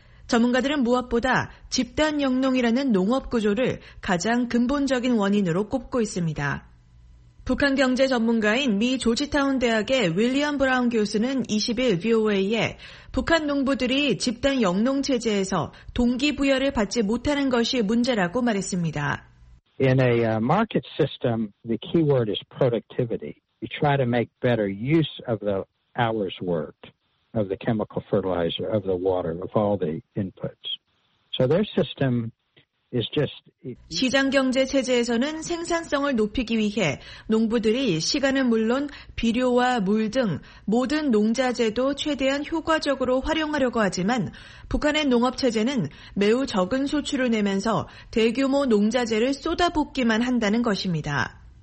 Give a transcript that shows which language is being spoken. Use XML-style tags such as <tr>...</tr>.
<ko>전문가들은 무엇보다 집단 영농이라는 농업 구조를 가장 근본적인 원인으로 꼽고 있습니다. 북한 경제 전문가인 미 조지타운 대학의 윌리엄 브라운 교수는 20일 VOA에 북한 농부들이 집단 영농 체제에서 동기부여를 받지 못하는 것이 문제라고 말했습니다.</ko> <en>In a market system, the key word is productivity. You try to make better use of the hours worked. of the chemical fertilizer, of the water, of all the inputs. So their system</en> <ko>시장 경제 체제에서는 생산성을 높이기 위해 농부들이 시간은 물론 비료와 물 등 모든 농자재도 최대한 효과적으로 활용하려고 하지만 북한의 농업 체제는 매우 적은 소출을 내면서 대규모 농자재를 쏟아붓기만 한다는 것입니다.</ko>